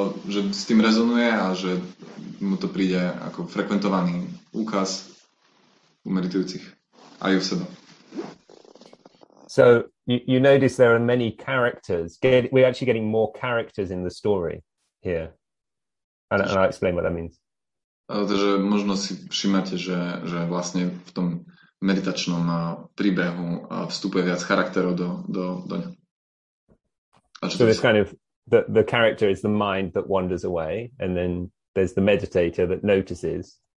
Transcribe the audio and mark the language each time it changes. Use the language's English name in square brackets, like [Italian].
[Slovak] Že s tým rezonuje a že mu to príde ako frekventovaný úkaz u meditujúcich aj u seba. [English] So you notice there are many characters. We're actually getting more characters in the story here. And I'll explain what that means. [Slovak] Takže možno si všimnete, že vlastne v tom meditačnom príbehu vstupuje viac charakterov do ňa. [English] The character is the mind that wanders away, and then there's the meditator that notices.